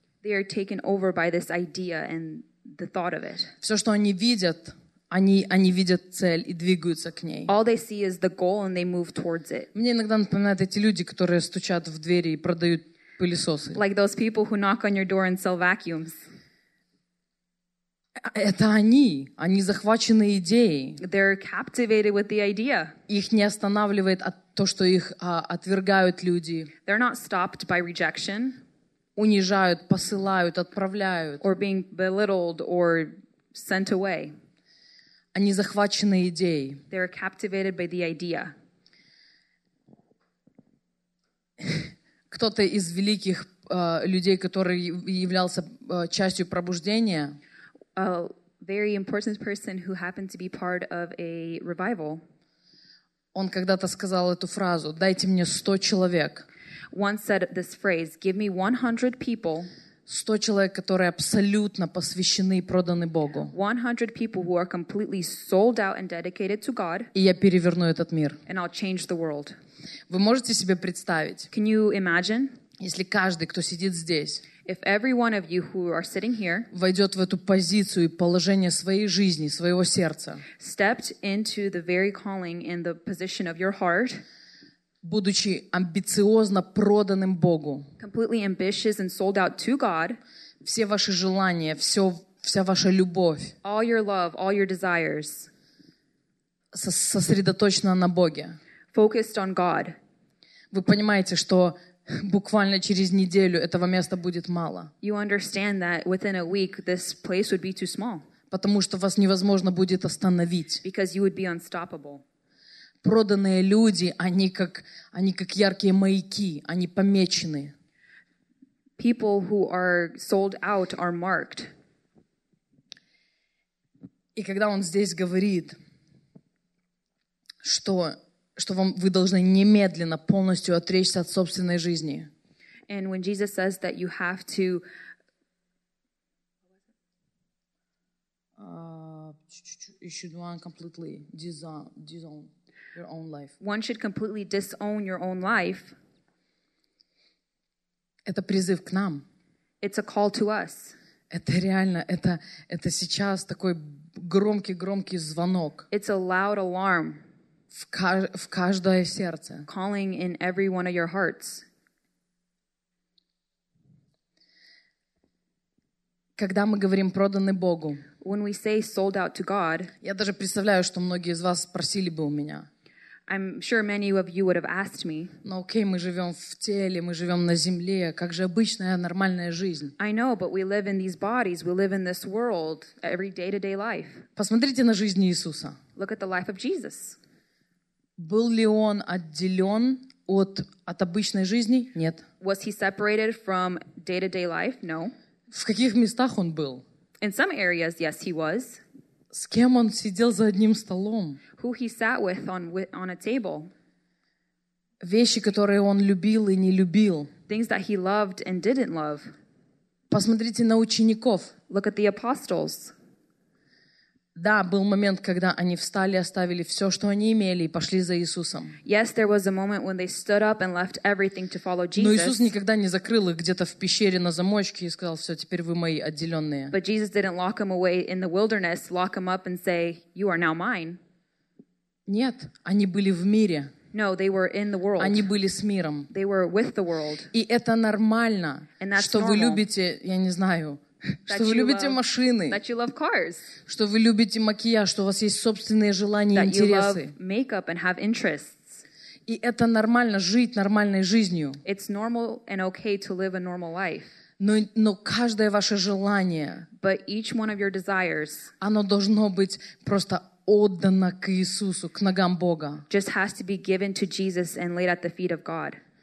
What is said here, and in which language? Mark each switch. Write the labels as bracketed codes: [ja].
[en] They are taken over by this idea and the thought of it. [ru] Все, что они видят, они видят цель и двигаются к ней. [en] All they see is the goal and they move towards it. [ru] Мне иногда напоминают эти люди, которые стучат в двери и продают пылесосы. [en] Like those people who knock on your door and sell vacuums. [ru] Это они захвачены идеей. [en] They're captivated with the idea. [ru] Их не останавливает то, что их отвергают люди. [en] They're not stopped by rejection. [ru] Унижают, посылают, отправляют. [en] Or being belittled or sent away. [ru] Они захвачены идеей. [en] They're captivated by the idea. [ru] Кто-то из великих людей, который являлся частью пробуждения, [en] a very important person who happened to be part of a revival. [ru] Он когда-то сказал эту фразу: «Дайте мне 100 человек». [en] Once said this phrase: «Give me 100 people». [ru] 100 человек, которые абсолютно посвящены и проданы Богу. [en] 100 people who are completely sold out and dedicated to God. [ru] И я переверну этот мир. [en] And I'll change the world. [ru] Вы можете себе представить? [en] Can you imagine? [ru] Если каждый, кто сидит здесь, [en] if every one of you who are sitting here [ru] войдет в эту позицию и положение своей жизни, своего сердца, [en] stepped into the very calling in the position of your heart, [ru] будучи амбициозно проданным Богу, [en] completely ambitious and sold out to God, [ru] все ваши желания, вся ваша любовь, [en] all your love, all your desires, [ru] сосредоточена на Боге, [en] focused on God, [ru] вы понимаете, что буквально через неделю этого места будет мало. [en] You understand that within a week this place would be too small. [ru] Потому что вас невозможно будет остановить. [en] Because you would be unstoppable. [ru] Проданные люди, они как яркие маяки, они помечены. [en] People who are sold out are marked. [ru] И когда он здесь говорит, что вы должны немедленно полностью отречься от собственной жизни. [en] And when Jesus says that you have to you should one completely disown your own life. One should completely disown your own life. [ru] Это призыв к нам. [en] It's a call to us. [ru] Это реально, это сейчас такой громкий звонок. [en] It's a loud alarm. [ru] В каждое сердце. [en] Calling in every one of your hearts. [ru] Когда мы говорим «проданы Богу», [en] when we say sold out to God, [ru] я даже представляю, что многие из вас спросили бы у меня. [en] I'm sure many of you would have asked me. [ru] Но окей, мы живем в теле, мы живем на земле. Как же обычная, нормальная жизнь? [en] I know, but we live in these bodies, we live in this world, every day-to-day life. [ru] Посмотрите на жизнь Иисуса. [en] Look at the life of Jesus. [ru] Был ли он отделен от обычной жизни? Нет. [en] Was he separated from day-to-day life? No. [ru] В каких местах он был? [en] In some areas, yes, he was. [ru] С кем он сидел за одним столом? [en] Who he sat with on a table? [ru] Вещи, которые он любил и не любил. [en] Things that he loved and didn't love. [ru] Посмотрите на учеников. [en] Look at the apostles. [ru] Да, был момент, когда они встали, оставили все, что они имели, и пошли за Иисусом. [en] Yes, there was a moment when they stood up and left everything to follow Jesus. [ru] Но Иисус никогда не закрыл их где-то в пещере на замочке и сказал: «Все, теперь вы мои отделенные». [en] But Jesus didn't lock them away in the wilderness, lock them up and say, "You are now mine." [ru] Нет, они были в мире. [en] No, they were in the world. [ru] Они были с миром. [en] They were with the world. [ru] И это нормально, что вы любите, я не знаю. Что вы любите машины. [en] That you love cars. [ru] Что вы любите макияж, что у вас есть собственные желания и интересы. [en] That you love makeup and have interests. [ru] И это нормально жить нормальной жизнью. [en] It's normal and okay to live a normal life. [ru] Но каждое ваше желание, [en] but each one of your desires, [ru] оно должно быть просто отдано к Иисусу, к ногам Бога. [en] Just has to be given to Jesus and laid at the feet of God.